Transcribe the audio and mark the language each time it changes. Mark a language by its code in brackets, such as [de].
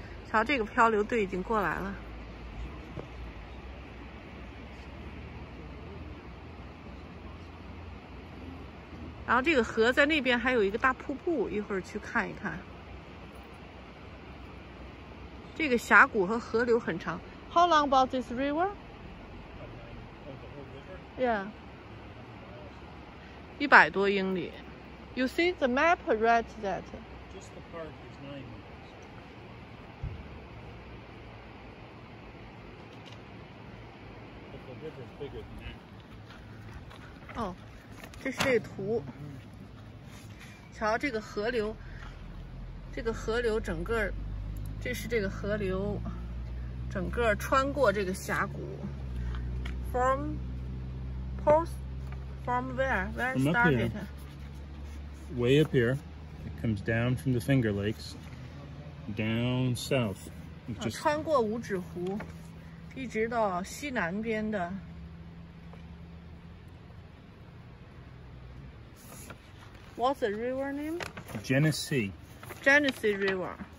[zh] 瞧，这个漂流队已经过来了。然后这个河在那边还有一个大瀑布，一会儿去看一看。这个峡谷和河流很长。 [en] How long about this river? Oh, the whole river? Yeah. [zh] 100多英里。 [en] You see the map right there? Just the park is 9 miles. But the river is bigger than that. [zh] Oh, 这是这图。瞧这个河流。这个河流整个。这是这个河流。整个穿过这个峡谷 ， [en] from post from where started? From up here, way up here, it comes down from the Finger Lakes, down south. [zh] Just, 穿过五指湖，一直到西南边的。 [en] What's the river name? Genesee. Genesee River.